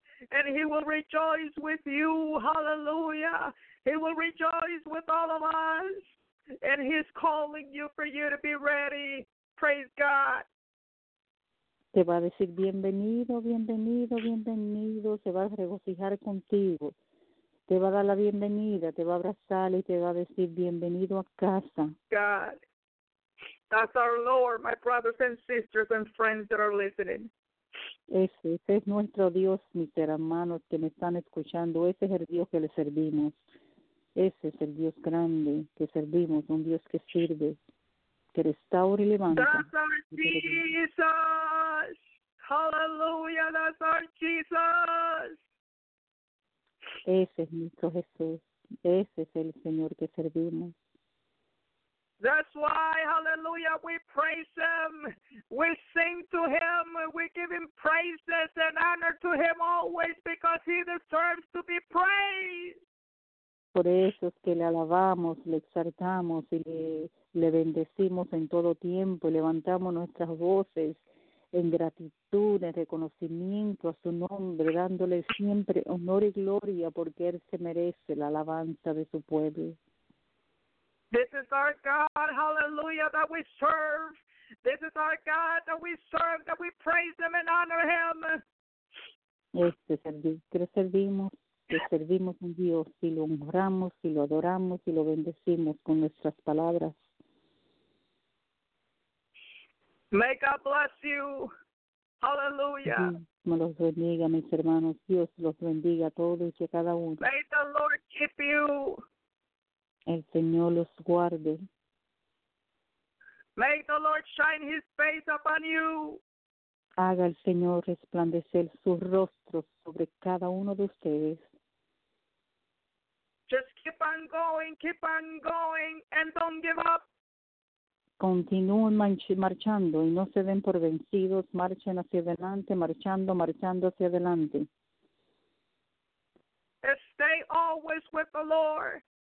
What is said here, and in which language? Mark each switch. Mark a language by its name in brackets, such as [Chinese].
[English] And He will rejoice with you, hallelujah. He will rejoice with all of us. And He's calling you for you to be ready. Praise God. [Spanish] Te va a decir bienvenido, bienvenido, bienvenido. Se va a regocijar contigo. Te va a dar la bienvenida. Te va a abrazar y te va a decir bienvenido a casa. [English] God, that's our Lord, my brothers and sisters and friends that are listening. [Spanish] Ese es nuestro Dios, mis hermanos que me están escuchando. Ese es el Dios que le servimos. Ese es el Dios grande que servimos, un Dios que sirve. Que restaura y levanta. [English] That's our Jesus. Hallelujah, that's our Jesus. [Spanish] Ese es nuestro Jesús. Ese es el Señor que servimos. [English] That's why, hallelujah, we praise Him. We sing to Him. We give Him praises and honor to Him always because He deserves to be praised. [Spanish] Por eso es que le alabamos, le exaltamos y le bendecimos en todo tiempo. Levantamos nuestras voces en gratitud, en reconocimiento a su nombre, dándole siempre honor y gloria porque Él se merece la alabanza de su pueblo. [English] This is our God, hallelujah, that we serve. This is our God that we serve, that we praise Him and honor Him. [Spanish] Este es el Dios que servimos. Que servimos a Dios y lo honramos y lo adoramos y lo bendecimos con nuestras palabras. [English] May God bless you. Hallelujah. [Spanish] Dios me los bendiga, mis hermanos. Dios los bendiga a todos y a cada uno. [English] May the Lord keep you. [Spanish] El Señor los guarde. [English] May the Lord shine His face upon you. [Spanish] Haga el Señor resplandecer su rostro sobre cada uno de ustedes. [English] Just keep on going, and don't give up. [Spanish] Continúen marchando y no se den por vencidos. Marchen hacia adelante, marchando hacia adelante. [English] Stay always with the Lord.